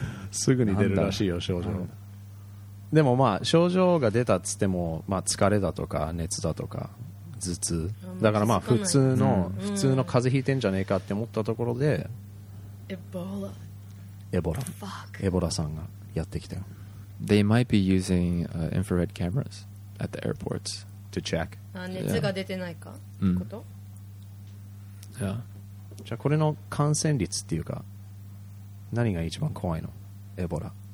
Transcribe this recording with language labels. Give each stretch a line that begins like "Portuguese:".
Japanese: すぐに出るらしいよ症状。でもまあ症状が出たっつっても、まあ、疲れだとか熱だとか頭痛だからまあ普通の、うん、普通の風邪ひいてんじゃねえかって思ったところで、うん、エボラ
English: The fuck?
Japanese: エボラさんがやってきたよ。
English: They might be using、infrared cameras at the airports to check
Japanese: 熱が出てないか、 yeah. ってこと、うん、yeah. じゃあこれの感染率っていうか何が一番怖いのエボラ。